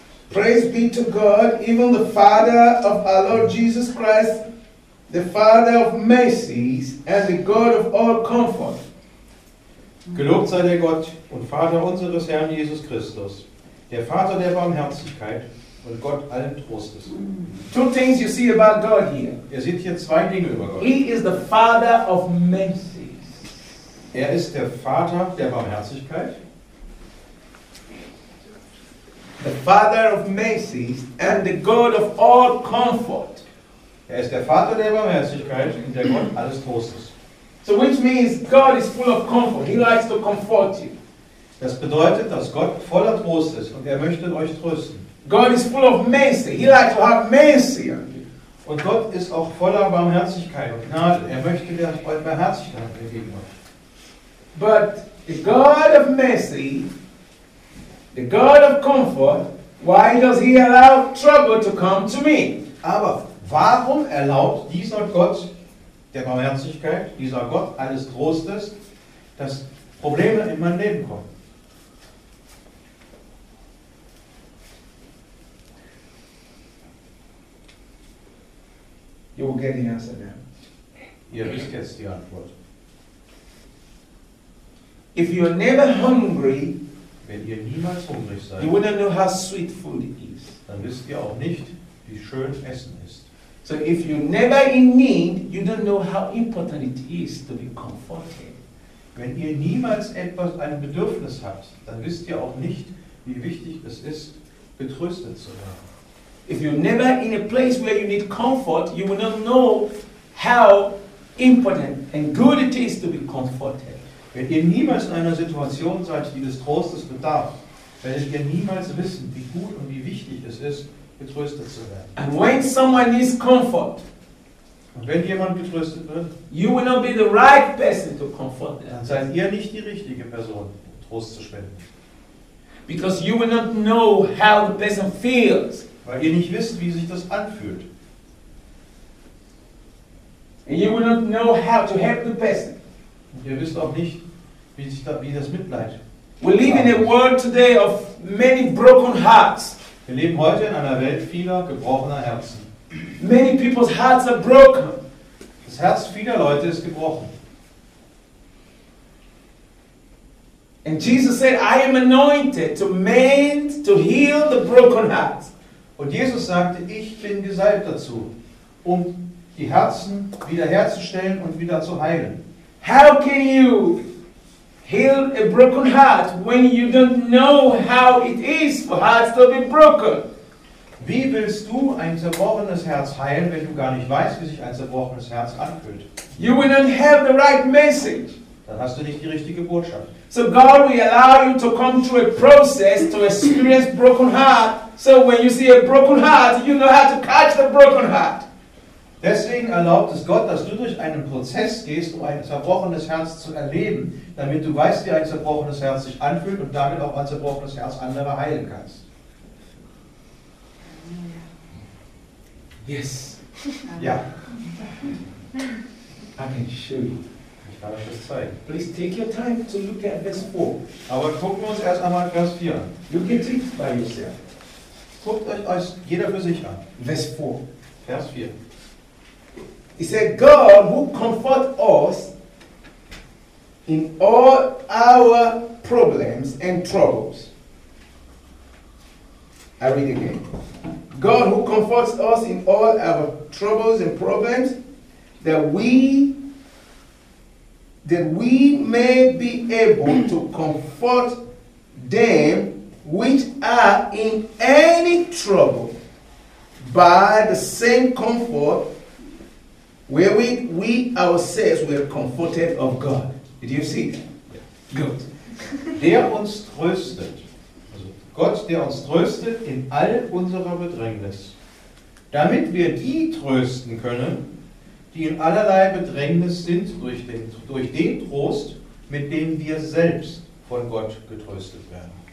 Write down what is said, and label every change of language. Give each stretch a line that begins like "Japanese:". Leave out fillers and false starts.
English: Praise be to God, even the Father of our Lord Jesus Christ, the Father of mercies and the God of all comfort.
German: Gelobt sei der Gott und Vater unseres Herrn Jesus Christus, der Vater der Barmherzigkeit und Gott allen Trostes.
English: Two things you see about God here.
German: Ihr seht hier zwei Dinge über Gott.
English: He is the Father of mercies.
German: Er ist der Vater der Barmherzigkeit.
English: The Father of mercies and the God of all comfort.
German: Er ist der Vater der Barmherzigkeit und der Gott alles Trostes.
English: So which means God is full of comfort. He likes to comfort you.
German: Das bedeutet, dass Gott voller Trost ist und er möchte euch trösten.
English: God is full of mercy. He likes to have mercy on you.
German: Und Gott ist auch voller Barmherzigkeit und Gnade. Er möchte euch Barmherzigkeit geben.
English: But the God of mercy, the God of comfort, why does he allow trouble to come to me?
German: Aber warum erlaubt dieser Gott der Barmherzigkeit, dieser Gott alles Trostes, dass Probleme in mein Leben kommen?
English: You will get the answer now.
German: Ihr wisst jetzt die Antwort.
English: If you are never hungry,
German: wenn ihr niemals hungrig seid,
English: you wouldn't know how sweet food is.
German: Dann wisst ihr auch nicht, wie schön Essen ist.
English: So if you never in need, you don't know how important it is to be comforted.
German: Wenn ihr niemals etwas ein Bedürfnis habt, dann wisst ihr auch nicht, wie wichtig es ist, getröstet zu werden.
English: If you're never in a place where you need comfort, you will not know how important and good it is to be comforted.
German: Wenn ihr niemals in einer Situation seid, die des Trostes bedarf, werdet ihr niemals wissen, wie gut und wie wichtig es ist, getröstet zu werden.
English: And when someone needs comfort,
German: und wenn jemand getröstet wird,
English: you will not be the right person to comfort them.
German: Dann seid ihr nicht die richtige Person, um Trost zu spenden.
English: Because you will not know how the person feels.
German: Weil ihr nicht wisst, wie sich das anfühlt.
English: And you will not know how to help the person.
German: Und ihr wisst auch nicht, wie sich das, wie das Mitleid.
English: We live in a world today of many broken hearts.
German: Wir leben heute in einer Welt vieler gebrochener Herzen.
English: Many people's hearts are broken.
German: Das Herz vieler Leute ist gebrochen.
English: And Jesus said, I am anointed to mend, to heal the broken heart.
German: Und Jesus sagte, ich bin gesalbt dazu, um die Herzen wiederherzustellen und wieder zu heilen.
English: How can you heal a broken heart when you don't know how it is for hearts to be broken?
German: Wie willst du ein zerbrochenes Herz heilen, wenn du gar nicht weißt, wie sich ein zerbrochenes Herz anfühlt?
English: You will not have the right message.
German: Dann hast du nicht die richtige Botschaft.
English: So God will allow you to come through a process to experience broken heart. So when you see a broken heart, you know how to catch the broken heart.
German: Deswegen erlaubt es Gott, dass du durch einen Prozess gehst, um ein zerbrochenes Herz zu erleben, damit du weißt, wie ein zerbrochenes Herz sich anfühlt und damit auch ein zerbrochenes Herz andere heilen kannst.
English: Yes.
German: Ja.
English: I can show you.
German: Ich kann euch das zeigen.
English: Please take your time to look at this book.
German: Aber gucken wir uns erst einmal Vers 4 an.
English: You can see it by yourself.
German: Guckt euch jeder für sich an. Vers 4. Vers 4.
English: It said, God who comfort us in all our problems and troubles. I read again. God who comforts us in all our troubles and problems that we may be able to comfort them which are in any trouble by the same comfort wherewith we ourselves were comforted of God. Did you see? Yeah. Good.
German: Der uns tröstet, also Gott, der uns tröstet in all unserer Bedrängnis, damit wir die trösten können, die in allerlei Bedrängnis sind, durch den Trost, mit dem wir selbst von Gott getröstet werden.